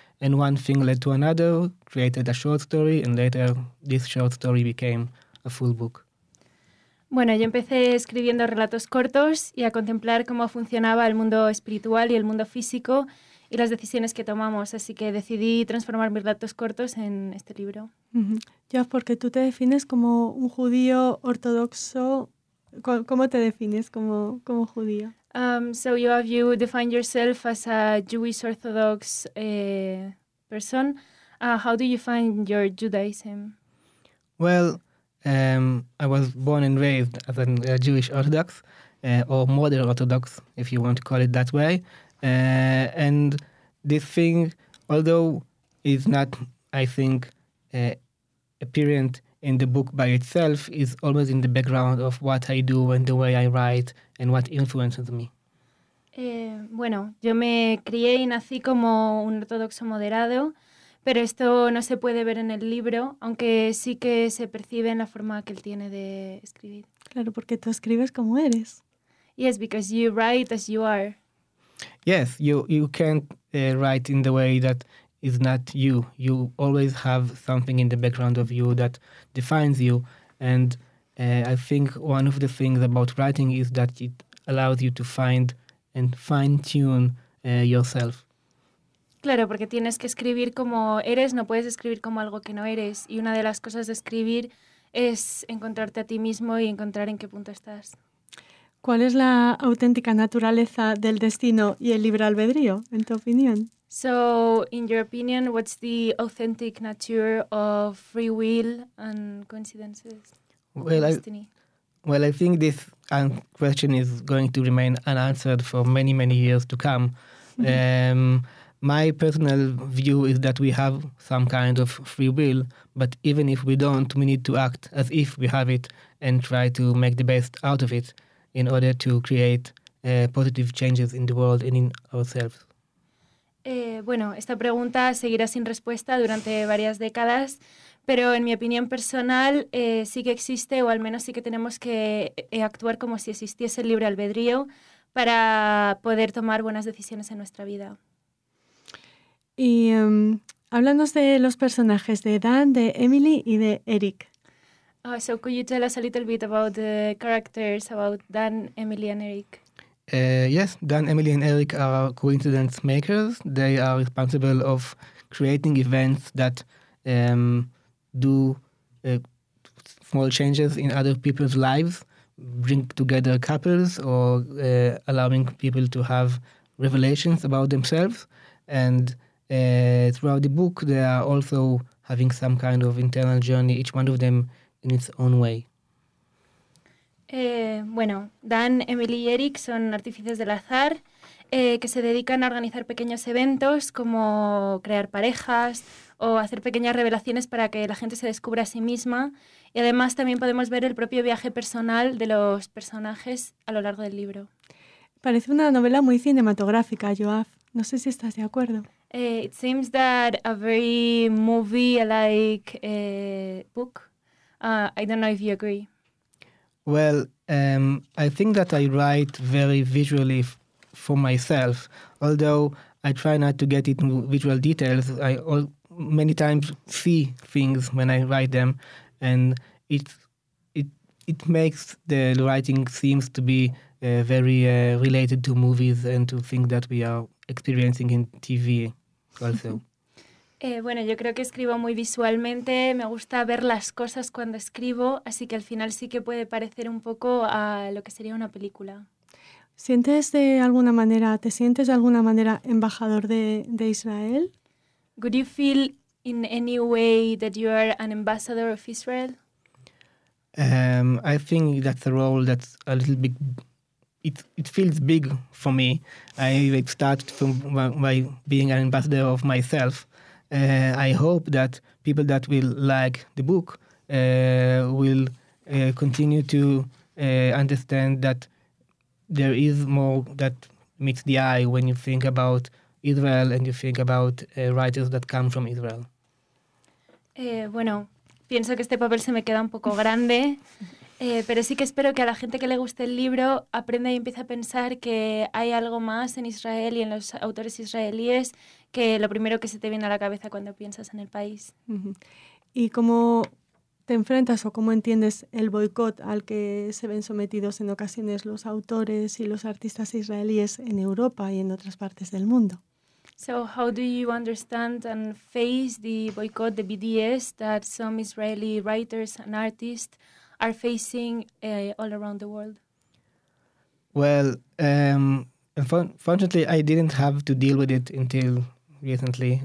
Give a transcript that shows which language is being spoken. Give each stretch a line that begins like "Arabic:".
English: And one thing led to another, created a short story, and later this short story became a full book.
Spanish: Bueno, yo empecé escribiendo relatos cortos y a contemplar cómo funcionaba el mundo espiritual y el mundo físico y las decisiones que tomamos. Así que decidí transformar mis relatos cortos en este libro. Ya, porque tú te defines como un judío ortodoxo. ¿Cómo te defines como judío?
English: So you have you define yourself as a Jewish Orthodox person. How do you find your Judaism? Well, I was born and raised as a Jewish Orthodox, or modern Orthodox, if you want to call it that way. And this thing, although is not, I think, apparent in the book by itself, is always in the background of what I do and the way I write and what influences me.
Spanish: Bueno, yo me crié y nací como un ortodoxo moderado, pero esto no se puede ver en el libro, aunque sí que se percibe en la forma que él tiene de escribir. Claro, porque tú escribes como eres.
English: Yes, because you write as you are. Yes, you can't write in the way that is not you. You always have something in the background of you that defines you. And I think one of the things about writing is that it allows you to find and fine-tune yourself.
Spanish: Claro, porque tienes que escribir como eres, no puedes escribir como algo que no eres. Y una de las cosas de escribir es encontrarte a ti mismo y encontrar en qué punto estás. ¿Cuál es la auténtica naturaleza del destino y el libre albedrío, en tu opinión?
English: So, in your opinion, what's the authentic nature of free will and coincidences? Well, destiny? Well, I think this question is going to remain unanswered for many, many years to come. Mm-hmm. My personal view is that we have some kind of free will, but even if we don't, we need to act as if we have it and try to make the best out of it in order to create positive changes in the world and in ourselves.
Spanish: Bueno, esta pregunta seguirá sin respuesta durante varias décadas, pero en mi opinión personal sí que existe, o al menos sí que tenemos que actuar como si existiese el libre albedrío para poder tomar buenas decisiones en nuestra vida. Y háblanos de los personajes de Dan, de Emily y de Eric.
English: Oh, so could you tell us a little bit about the characters, about Dan, Emily and Eric? Yes, Dan, Emily and Eric are coincidence makers. They are responsible of creating events that small changes in other people's lives, bring together couples or allowing people to have revelations about themselves. And throughout the book, they are also having some kind of internal journey, each one of them in its own way.
Spanish: Bueno, Dan, Emily y Eric son artífices del azar que se dedican a organizar pequeños eventos como crear parejas o hacer pequeñas revelaciones para que la gente se descubra a sí misma. Y además también podemos ver el propio viaje personal de los personajes a lo largo del libro. Parece una novela muy cinematográfica, Joaf. No sé si estás de acuerdo.
English: It seems that a very movie-like book. I don't know if you agree. Well, I think that I write very visually for myself. Although I try not to get into visual details, I many times see things when I write them, and it makes the writing seems to be very related to movies and to things that we are experiencing in TV also.
Spanish: Bueno, yo creo que escribo muy visualmente, me gusta ver las cosas cuando escribo, así que al final sí que puede parecer un poco a lo que sería una película. ¿Sientes de alguna manera, te sientes de alguna manera embajador de Israel?
English: Would you feel in any way that you are an ambassador of Israel? I think that's a role that's a little bit, it feels big for me. I started from by being an ambassador of myself. I hope that people that will like the book will continue to understand that there is more that meets the eye when you think about Israel and you think about writers that come from Israel.
Spanish: Bueno, pienso que este papel se me queda un poco grande, pero sí que espero que a la gente que le guste el libro aprenda y empiece a pensar que hay algo más en Israel y en los autores israelíes que lo primero que se te viene a la cabeza cuando piensas en el país. Uh-huh. ¿Y cómo te enfrentas o cómo entiendes el boicot al que se ven sometidos en ocasiones los autores y los artistas israelíes en Europa y en otras partes del mundo?
English: So how do you understand and face the boycott, the BDS, that some Israeli writers and artists are facing all around the world? Well, unfortunately, I didn't have to deal with it until recently.